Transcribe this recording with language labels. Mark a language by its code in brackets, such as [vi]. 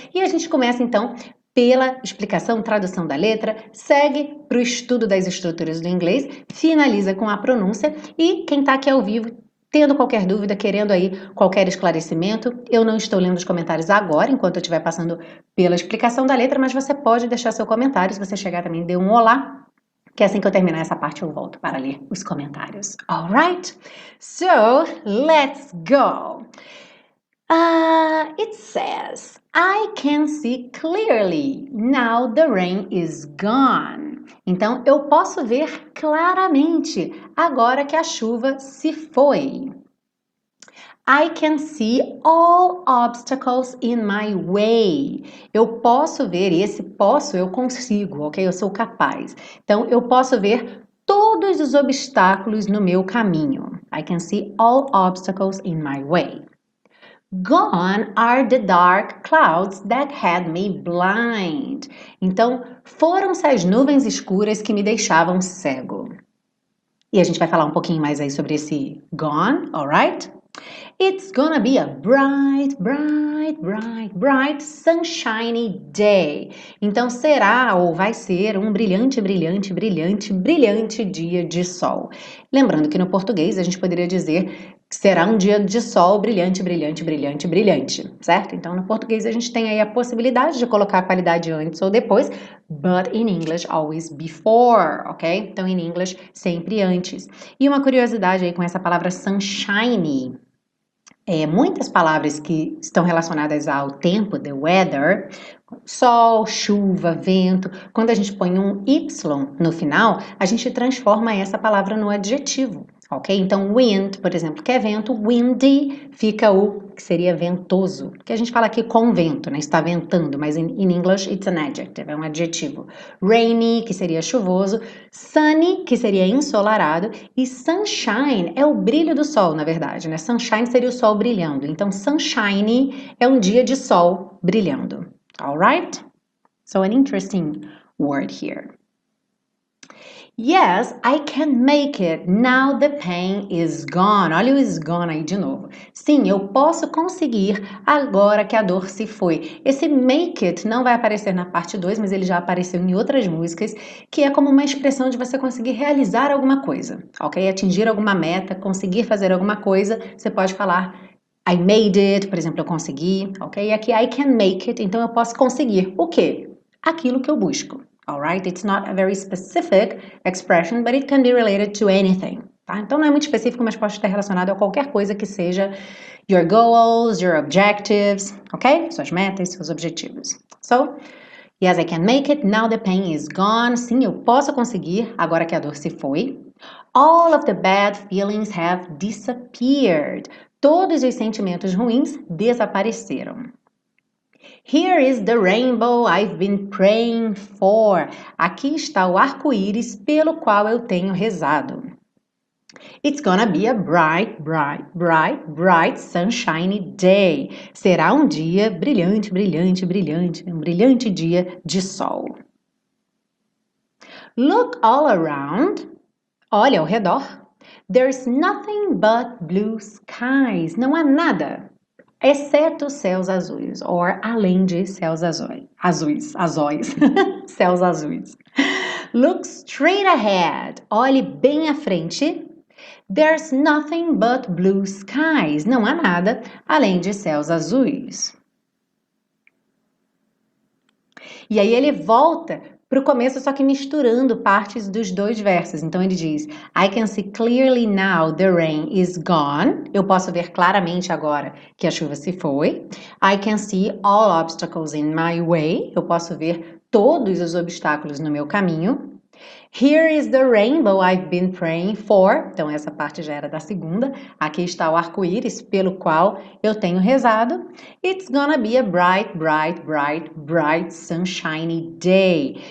[pt] E a gente começa, então, pela explicação, tradução da letra, segue para o estudo das estruturas do inglês, finaliza com a pronúncia e quem está aqui ao vivo, tendo qualquer dúvida, querendo aí qualquer esclarecimento, eu não estou lendo os comentários agora, enquanto eu estiver passando pela explicação da letra, mas você pode deixar seu comentário, se você chegar também, dê um olá, que assim que eu terminar essa parte, eu volto para ler os comentários. [en] All right? So, let's go. It says, I can see clearly. Now the rain is gone. [pt] Então, eu posso ver claramente agora que a chuva se foi. [en] I can see all obstacles in my way. [pt] Eu posso ver, esse posso, eu consigo, ok? Eu sou capaz. Então, eu posso ver todos os obstáculos no meu caminho. [en] I can see all obstacles in my way. Gone are the dark clouds that had me blind. [pt] Então, foram-se as nuvens escuras que me deixavam cego. E a gente vai falar um pouquinho mais aí sobre esse gone, [en] alright? It's gonna be a bright, bright, bright, bright, sunshiny day. [pt] Então será ou vai ser um brilhante, brilhante, brilhante, brilhante dia de sol. Lembrando que no português a gente poderia dizer que será um dia de sol brilhante, brilhante, brilhante, brilhante, certo? Então no português a gente tem aí a possibilidade de colocar a qualidade antes ou depois, [en] but in English always before, [pt] ok? Então [en] in English [pt] sempre antes. E uma curiosidade aí com essa palavra sunshiny. Muitas palavras que estão relacionadas ao tempo, [en] the weather, [pt] sol, chuva, vento, quando a gente põe um Y no final, a gente transforma essa palavra no adjetivo, ok? Então, wind, por exemplo, que é vento, windy, fica o que seria ventoso, que a gente fala aqui com vento, né? Está ventando, mas [en] in English it's an adjective, [pt] é um adjetivo. Rainy, que seria chuvoso, sunny, que seria ensolarado, e sunshine é o brilho do sol, na verdade, né? Sunshine seria o sol brilhando, então sunshine é um dia de sol brilhando. [en] Alright? So an interesting word here. Yes, I can make it. Now the pain is gone. [pt] Olha o is gone aí de novo. Sim, eu posso conseguir agora que a dor se foi. Esse make it não vai aparecer na parte 2, mas ele já apareceu em outras músicas, que é como uma expressão de você conseguir realizar alguma coisa, ok? Atingir alguma meta, conseguir fazer alguma coisa, você pode falar [en] I made it, [pt] por exemplo, eu consegui, ok? E aqui, [en] I can make it, [pt] então eu posso conseguir o quê? Aquilo que eu busco, [en] alright? It's not a very specific expression, but it can be related to anything, [pt] tá? Então não é muito específico, mas pode estar relacionado a qualquer coisa que seja [en] your goals, your objectives, [pt] ok? Suas metas, seus objetivos. [en] So, yes, I can make it, now the pain is gone. [pt] Sim, eu posso conseguir, agora que a dor se foi. [en] All of the bad feelings have disappeared. [pt] Todos os sentimentos ruins desapareceram. [en] Here is the rainbow I've been praying for. [pt] Aqui está o arco-íris pelo qual eu tenho rezado. [en] It's gonna be a bright, bright, bright, bright, sunshiny day. [pt] Será um dia brilhante, brilhante, brilhante, um brilhante dia de sol. [en] Look all around. [pt] Olha ao redor. [en] There's nothing but blue skies. [pt] Não há nada, exceto céus azuis. Or além de céus azuis. Azuis. Céus azuis. [en] Look straight ahead. [pt] Olhe bem à frente. [en] There's nothing but blue skies. [pt] Não há nada além de céus azuis. E aí ele volta para o começo, só que misturando partes dos dois versos. Então ele diz, [en] I can see clearly now the rain is gone. [pt] Eu posso ver claramente agora que a chuva se foi. [en] I can see all obstacles in my way. [pt] Eu posso ver todos os obstáculos no meu caminho. [en] Here is the rainbow I've been praying for. [pt] Então, essa parte já era da segunda. Aqui está o arco-íris pelo qual eu tenho rezado. [en] It's gonna be a bright, bright, bright, bright, sunshiny day.